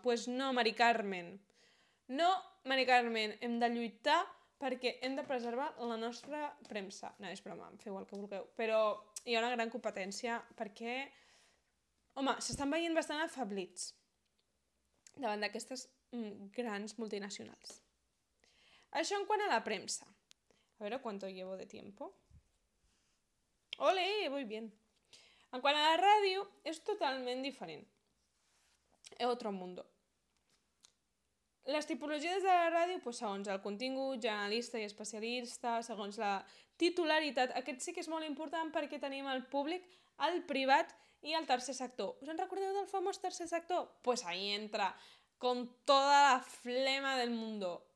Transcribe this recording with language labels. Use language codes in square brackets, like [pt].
[es] Pues no, [ca] Mari Carmen, no, Mari Carmen, hem de lluitar perquè hem de preservar la nostra premsa. No, és broma, feu el que vulgueu, però hi ha una gran competència perquè, home, s'estan veient bastant afablits davant d'aquestes grans multinacionals. Això en quant a la premsa. [es] A veure cuánto llevo de tiempo. Ole, voy bien. [ca] En quant a la ràdio, és totalment diferent. És [es] otro mundo. [ca] Les tipologies de la ràdio, pues, segons el contingut, generalista i especialista, segons la titularitat, aquest sí que és molt important perquè tenim el públic, el privat i el tercer sector. Us en recordeu del famós tercer sector? [es] Pues ahí entra, con toda la flema del mundo.